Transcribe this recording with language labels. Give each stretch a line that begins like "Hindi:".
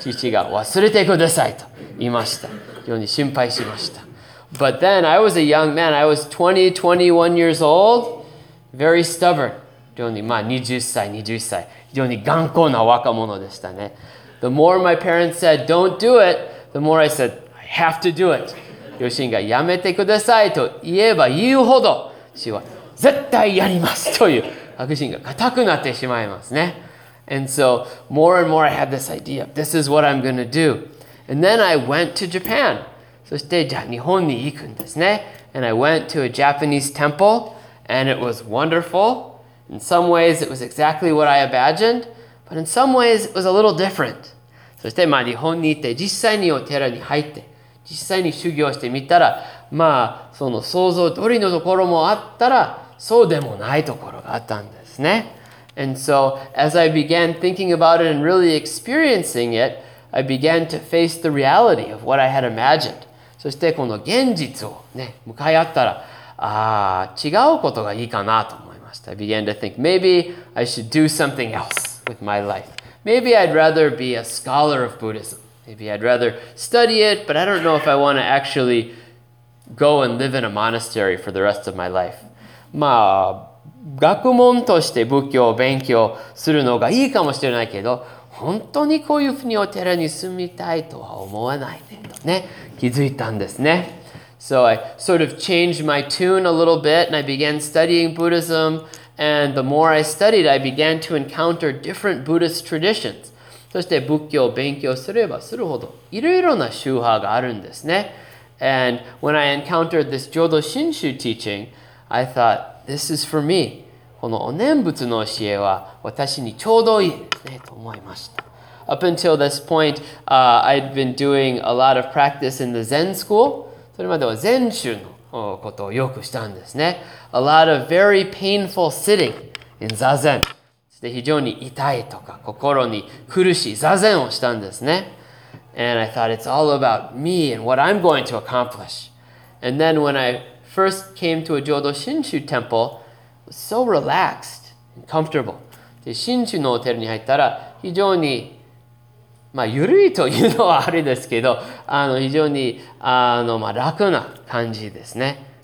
Japanese: 父が忘れてくださいと言いました。非常に心配しました。
English: But then I was a young man. I was 20, 21 years old. Very stubborn.
Japanese: 非常にまあ20歳。非常に頑固な若者でしたね。
English: The more my parents said, don't do it, the more I said, I have to do it.
Japanese: 両親がやめてくださいと言えば言うほど、私は絶対やりますという確信が固くなってしまいますね。
English: And so, more and more I had this idea, this is what I'm going to do. And then I went to Japan.
Japanese: そしてじゃあ日本に行くんですね。
English: And I went to a Japanese temple, and it was wonderful. In some ways, it was exactly what I imagined. But in some ways, it was a little different.
Japanese: そして、まあ、日本に行って、実際にお寺に入って、実際に修行してみたら、まあ、その想像通りのところもあったら、そうでもないところがあったんですね。
English: And so, as I began thinking about it and really experiencing it, I began to face the reality of what I had imagined.
Japanese: そして、この現実をね、向かい合ったら、ああ、違うことがいいかなと思いました。
English: I began to think, maybe I should do something else. With my life. Maybe I'd rather be a scholar of Buddhism. Maybe I'd rather study it, but I don't know if I want to actually go and live in a monastery for the rest of my life.
Japanese: まあ、学問として仏教を勉強するのがいいかもしれないけど、本当にこういうふうにお寺に住みたいとは思わないねとね、気づいたんですね。
English: So I sort of changed my tune a little bit and I began studying Buddhism. And the more I studied, I began to encounter different Buddhist traditions.
Japanese: そして仏教を勉強すればするほど、いろいろな宗派があるんですね。
English: And when I encountered this Jodo Shinshu teaching, I thought, this is for me.
Japanese: このお念仏の教えは私にちょうどいいですねと思いました。
English: Up until this point, I'd been doing a lot of practice in the Zen school.
Japanese: それまでは禅宗のことをよくしたんですね。
English: A lot of very painful sitting in Zazen.
Japanese: で、非常に痛いとか心に苦しい座禅をしたんですね。
English: And I thought it's all about me and what I'm going to accomplish. And then when I first came to a Jodo Shinshu temple, it was so relaxed and comfortable.
Japanese: で、Shinshu のお寺に入ったら非常にまあ、緩いというのはあれですけど、非常に、まあ、楽な感じですね。